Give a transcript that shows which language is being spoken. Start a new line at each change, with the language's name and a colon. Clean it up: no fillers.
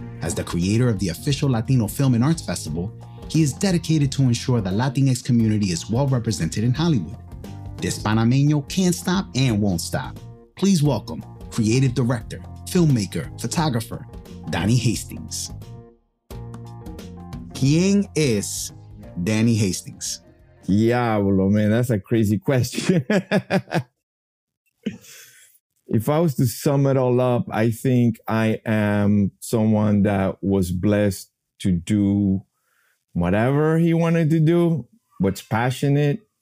English: As the creator of the official Latino Film and Arts Festival, he is dedicated to ensure the Latinx community is well represented in Hollywood. This Panameño can't stop and won't stop. Please welcome creative director, filmmaker, photographer, Danny Hastings.
Spanish: ¿Quién es Danny Hastings?
English: Diablo, man, that's a crazy question. If I was to sum it all up, I think I am someone that was blessed to do whatever he wanted to do, what's passionate